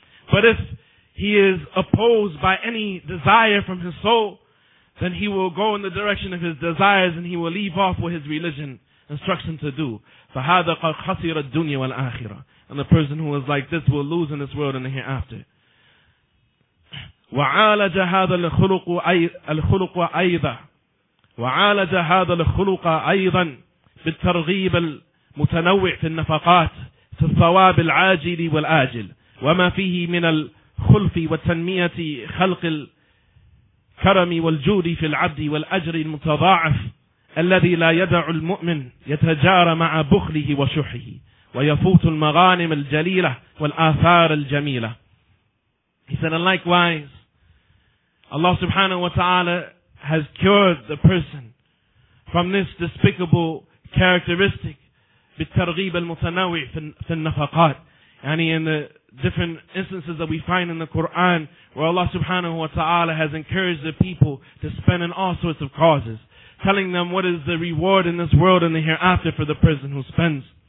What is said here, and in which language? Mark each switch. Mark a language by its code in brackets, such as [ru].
[en] But if he is opposed by any desire from his soul, then he will go in the direction of his desires and he will leave off what his religion instructs him to do. [ar] فَهَذَا قَدْ خَسِرَ الدُّنْيَا وَالْآخِرَةَ. [en] And the person who is like this will lose in this world and the hereafter. [ar] وَعَالَجَ هَذَا الْخُلُقُ أَيْضًا وعالج هذا الخلق أيضا بالترغيب المتنوع في النفقات في الثواب العاجل والآجل وما فيه من الخلف وتنمية خلق الكرم والجود في العبد والأجر المتضاعف الذي لا يدع المؤمن يتجار مع بخله وشحه ويفوت المغانم الجليلة والآثار الجميلة. [en] He said, and likewise, Allah subhanahu wa ta'ala has cured the person from this despicable characteristic, [ar] بالترغيب المتنوع في النفقات. [en] Yani in the different instances that we find in the Quran, where Allah subhanahu wa ta'ala has encouraged the people to spend in all sorts of causes, telling them what is the reward in this world and the hereafter for the person who spends.